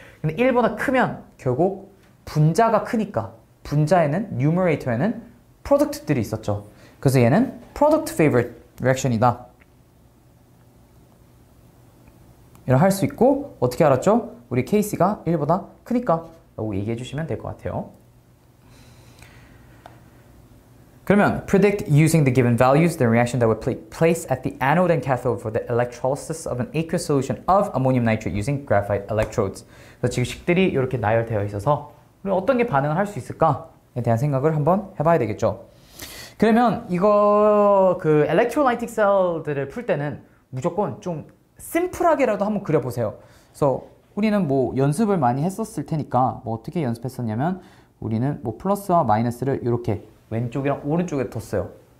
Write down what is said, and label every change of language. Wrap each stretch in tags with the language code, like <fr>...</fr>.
<ko>근데 1보다 크면 결국 분자가 크니까 분자에는 numerator에는 product들이 있었죠. 그래서 얘는 product favored reaction이다. 이런 할 수 있고 어떻게 알았죠? 우리 Kc가 1보다 크니까 라고 얘기해 주시면 될 것 같아요. 그러면</ko> <en>predict using the given values the reaction that would place at the anode and cathode for the electrolysis of an aqueous solution of ammonium nitrate using graphite electrodes.</en> <ko>그래서 지금 식들이 이렇게 나열되어 있어서 우리 어떤 게 반응을 할 수 있을까에 대한 생각을 한번 해봐야 되겠죠. 그러면 이거 그 electrolytic cell들을 풀 때는 무조건 좀 심플하게라도 한번 그려보세요. 그래서 우리는 뭐 연습을 많이 했었을 테니까 뭐 어떻게 연습했었냐면 우리는 뭐 플러스와 마이너스를 이렇게 왼쪽이랑 오른쪽에 뒀어요.</ko>